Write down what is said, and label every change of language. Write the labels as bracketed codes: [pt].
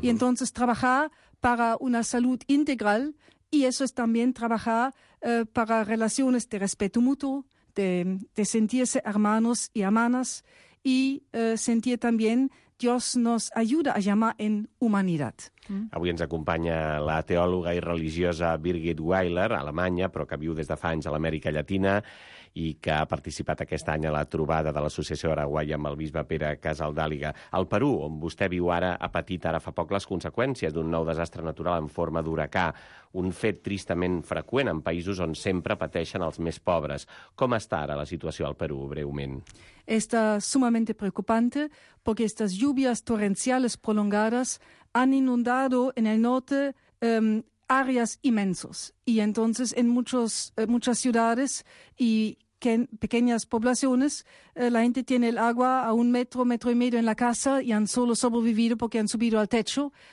[es] Y entonces trabajar para una salud integral, y eso es también trabajar para relaciones de respeto mutuo, de sentirse hermanos y hermanas, y sentir también Dios nos ayuda a llamar en humanidad. [ca] Avui ens acompanya la teòloga i religiosa Birgit Weiler, alemanya, però que viu des de fa anys a l'Amèrica Llatina, i que ha participat aquest any a la trobada de l'Associació Araguaia amb el bisbe Pere Casaldàliga. El Perú, on vostè viu ara, ha patit ara fa poc les conseqüències d'un nou desastre natural en forma d'huracà, un fet tristament freqüent en països on sempre pateixen els més pobres. Com està ara la situació al Perú, breument? [es] Está sumamente preocupante porque estas lluvias torrenciales prolongadas han inundado en el norte áreas inmensas. Y entonces en muchas ciudades y pequeñas poblaciones la gente tiene el agua a un metro, metro y medio en la casa y han solo sobrevivido porque han subido al techo.